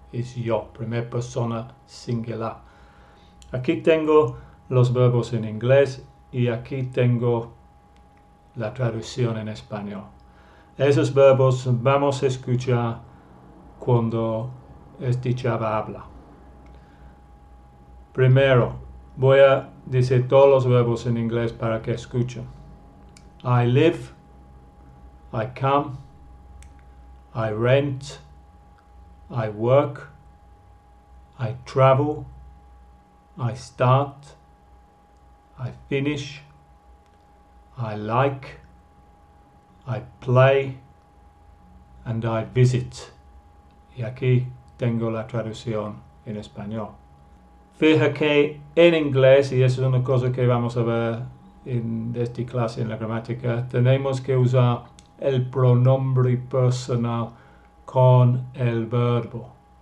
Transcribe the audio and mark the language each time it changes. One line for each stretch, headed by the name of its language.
Spanish: Es yo, primera persona singular. Aquí tengo los verbos en inglés y aquí tengo la traducción en español. Esos verbos vamos a escuchar cuando esta chava habla. Primero, voy a decir todos los verbos en inglés para que escuchen.
English: I live, I come, I rent, I work, I travel, I start, I finish, I like. I play and I visit.
Spanish: Y aquí tengo la traducción en español. Fija que en inglés, y eso es una cosa que vamos a ver en esta clase en la gramática, tenemos que usar el pronombre personal con el verbo.